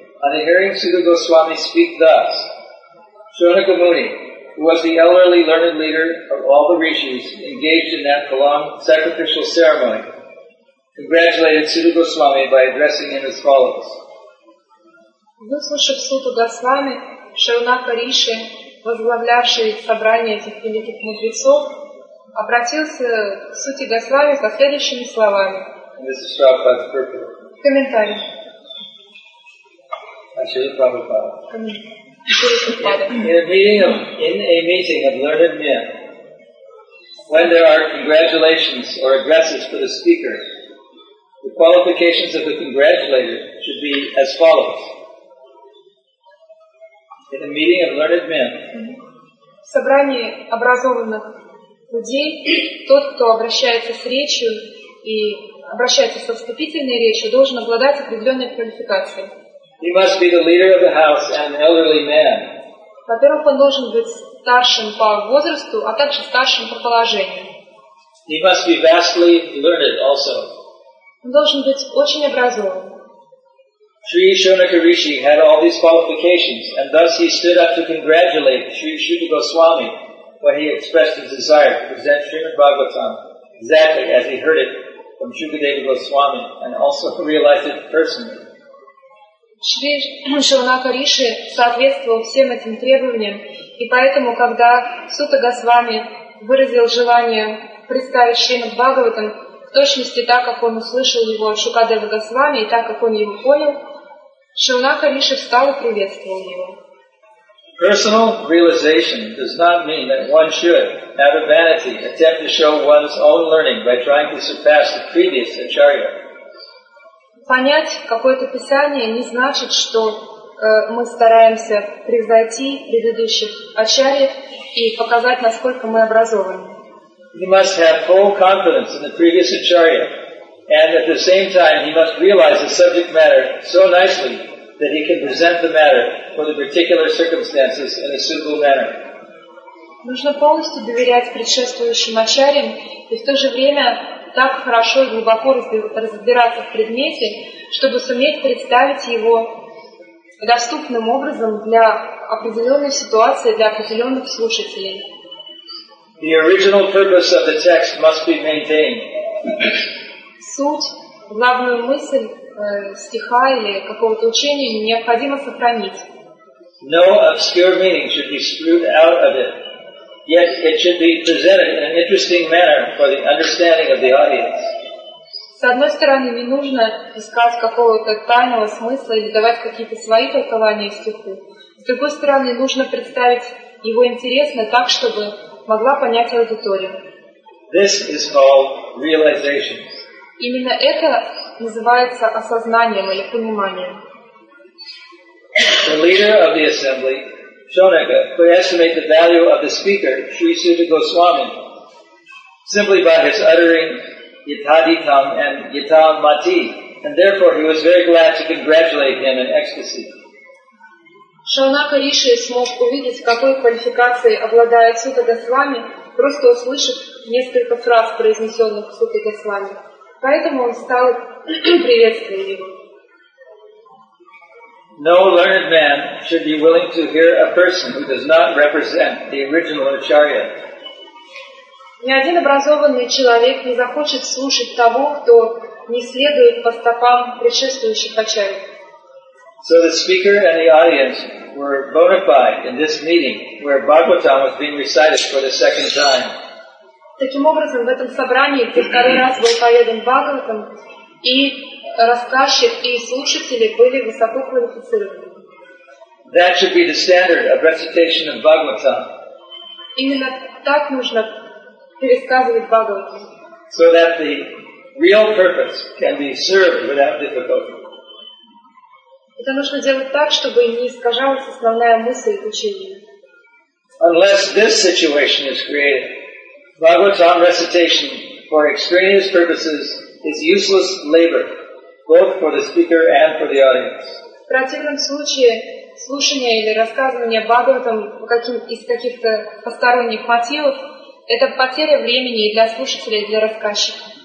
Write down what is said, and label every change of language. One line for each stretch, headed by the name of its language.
English: On hearing Sudha Goswami speak thus, Shonaka Muni, who was the elderly learned leader of all the rishis engaged in that prolonged sacrificial ceremony, congratulated Sudha Goswami by addressing him as follows.
Russian: Выслушав Сутту Госвами, Шонака Риши, возглавлявший собрание этих великих мудрецов, обратился к Сути Госвами со следующими словами.
English: This is Prabhupada's purport.
Russian: Комментарий.
English: Actually, Prabhupada. In a meeting of learned men, when there are congratulations or addresses for the speaker, the qualifications of the congratulator should be as follows. In a meeting of learned men,
Russian: в собрании образованных людей, тот, кто обращается с речью и обращается со вступительной речью, должен обладать определенной квалификацией.
English: He must be the leader of the house and an elderly man.
Russian: Во-первых, он должен быть старшим по возрасту, а также старшим по положению.
English: He must be vastly learned also.
Russian: Он должен быть очень образованным.
English: Sri Shonaka Rishi had all these qualifications, and thus he stood up to congratulate Sri Shuddha Goswami when he expressed his desire to present Srimad Bhagavatam exactly as he heard it from Shukadeva Goswami and also realized it personally.
Russian: Шри Шонака Риши соответствовал всем этим требованиям, и поэтому, когда Сутта Госвами выразил желание представить Шримад Бхагаватам в точности так, как он услышал его от Шукадевы Госвами, и так, как он его понял, Шонака Риши встал и приветствовал его.
English: Personal realization does not mean that one should, out of vanity, attempt to show one's own learning by trying to surpass the previous acharya.
Russian: Понять какое-то писание не значит, что мы стараемся превзойти предыдущих ачарьев и показать, насколько мы образованы.
English: He must have full confidence in the previous acharya, and at the same time he must realize the subject matter so nicely that he can present the matter for the particular circumstances in a suitable manner.
Russian: Нужно полностью доверять предшествующим ачарьям и в то же время так хорошо и глубоко разбираться в предмете, чтобы суметь представить его доступным образом для определенной ситуации, для определенных слушателей.
English: The original purpose of the text must be maintained.
Russian: Суть, главную мысль стиха или какого-то учения необходимо сохранить.
English: No obscure meaning should be screwed out of it. Yet it should be presented in an interesting manner for the understanding of the audience.
Russian: С одной стороны, не нужно искать какого-то тайного смысла или давать какие-то свои толкования стиху. С другой стороны, нужно представить его интересно так, чтобы могла понять аудитория.
English: This is called realization.
Russian: Именно это называется осознанием или пониманием.
English: The leader of the assembly, Shonaka, could estimate the value of the speaker, Sri Suta Goswami, simply by his uttering Yathaditam and Yatam Mati, and therefore he was very glad to congratulate him in ecstasy.
Russian: Шонака Риши смог увидеть, какой квалификацией обладает Сута Госвами, просто услышав несколько фраз, произнесенных Сутой Госвами. Поэтому он стал приветствовать его.
English: No learned man should be willing to hear a person who does not represent the original Acharya.
Russian: Ни один образованный человек не захочет слушать того, кто не следует по стопам предшествующих Ачарьи.
English: So the speaker and the audience were bona fide in this meeting where Bhagavatam was being recited for the second time.
Russian: Таким образом, в этом собрании, где второй раз был поведен Бхагаватам, и рассказчик, и слушатели были высоко квалифицированы.
English: That should be the standard of recitation of Bhagavatam.
Russian: Именно так нужно пересказывать Бхагаватам.
English: So that the real purpose can be served without difficulty.
Russian: Это нужно делать так, чтобы не искажалась основная мысль учения.
English: Unless this situation is created, Bhagavatam recitation for extraneous purposes is useless labor, both for the speaker and for the audience.
Russian: В противном случае, слушание или рассказывание Бхагаватам из каких-то посторонних мотивов — это потеря времени и для слушателя, и для рассказчика.